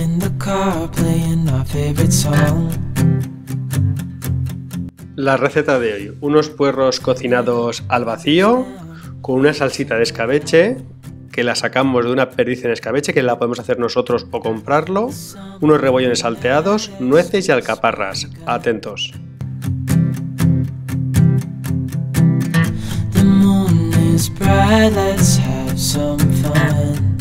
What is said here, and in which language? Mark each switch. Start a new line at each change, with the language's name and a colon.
English: in the car playing our favorite song.
Spanish: La receta de hoy: unos puerros cocinados al vacío con una salsita de escabeche que la sacamos de una perdiz en escabeche que la podemos hacer nosotros o comprarlo, unos rebollones salteados, nueces y alcaparras. Atentos.
English: The moon is bright, let's have some fun.